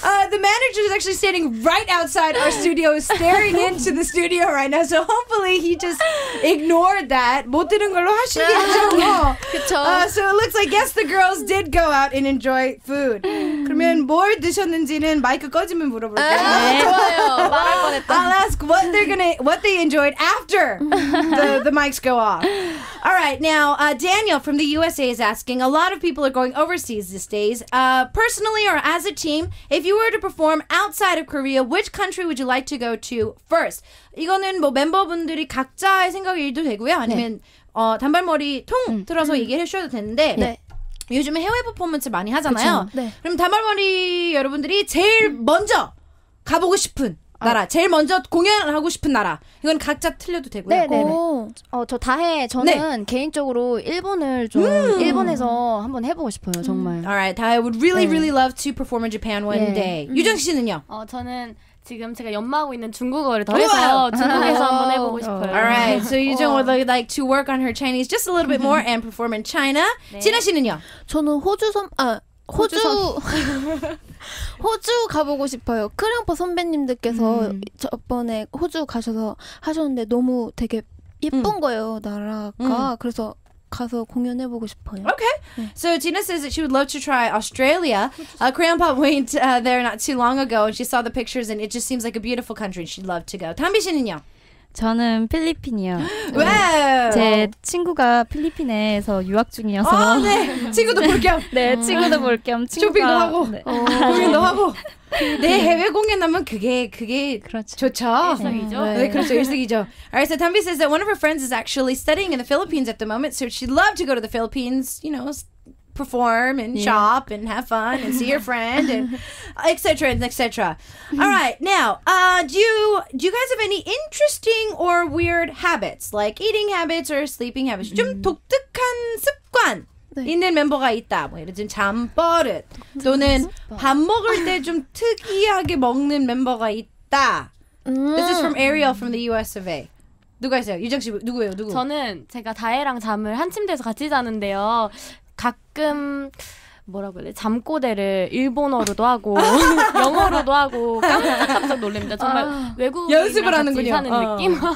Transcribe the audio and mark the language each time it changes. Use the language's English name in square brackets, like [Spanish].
[English] The manager is actually standing right outside our studio, staring into the studio right now. So hopefully he just ignored that. [Korean] 못 들은 걸로 하시겠죠. 그렇죠. [English] So it looks like, yes, the girls did go out and enjoy food. [Korean] 그러면 뭘 드셨는지는 마이크 꺼지면 물어볼게요. 네, 좋아요. 말할 뻔했다. [English] I'll ask what they enjoyed after the mics go off. All right, now, Daniel from the USA is asking, a lot of people are going overseas these days. Personally or as a team, if you were to perform outside of Korea, which country would you like to go to first? [Korean] 이거는 뭐 멤버분들이 각자의 생각일도 되고요. 아니면 네. 단발머리 통 들어서 얘기해주셔도 되는데 네. 요즘에 해외 퍼포먼스 많이 하잖아요. 네. 그럼 단발머리 여러분들이 제일 먼저 가보고 싶은 나라, 제일 먼저 공연하고 싶은 나라. 이건 각자 틀려도 되고요. 네, 네. 저 다해. 저는 네. 개인적으로 일본을 좀 일본에서 한번 해보고 싶어요. 정말. [English] Alright, I would really, [Korean] 네. [English] really love to perform in Japan one [Korean] 네. [English] day. [Korean] 유정 씨는요? 저는 지금 제가 연마하고 있는 중국어를 더해서 중국에서 한번 해보고 싶어요. [English] Alright, so Yujung would like to work on her Chinese just a little bit more and perform in China. [Korean] 네. 진아 씨는요? 저는 호주 가보고 싶어요. 크랭퍼 선배님들께서 저번에 호주 가셔서 하셨는데 너무 되게 예쁜 거예요, 나라가. 그래서 가서 공연해보고 싶어요. [English] Okay. [Korean] 네. [English] So Gina says that she would love to try Australia. Crayon Pop went there not too long ago and she saw the pictures and it just seems like a beautiful country. She'd love to go. [Korean] 탐비 씨는요? 저는 필리핀이요. 왜? 제 친구가 필리핀에서 유학 중이어서. 아, 네. 친구도 볼 겸. 네, 친구도 볼 겸. 쇼핑도 하고. 네. 공연도 하고. 내 해외 공연하면 그게 그렇죠. 좋죠. 일석이죠. 네, 그렇죠. 일석이죠. [English] Alright, so Tambi says that one of her friends is actually studying in the Philippines at the moment, so she'd love to go to the Philippines, you know, perform and yeah. shop and have fun and see your friend and etc. and etc. All right, now do you guys have any interesting or weird habits like eating habits or sleeping habits? [Korean] 좀 독특한 습관 네. 있는 멤버가 있다. 뭐 예를 들면 잠 버릇 또는 밥 먹을 때 좀 특이하게 먹는 멤버가 있다. [English] This is from Ariel from the US of A. [Korean] 누가 있어요? 유정 씨 누구예요? 누구? 저는 제가 다혜랑 잠을 한 침대에서 같이 자는데요. 가끔 뭐라고 해야 돼? 잠꼬대를 일본어로도 하고 영어로도 하고 깜짝깜짝 놀랍니다. 정말 외국인이랑 같이 사는 느낌?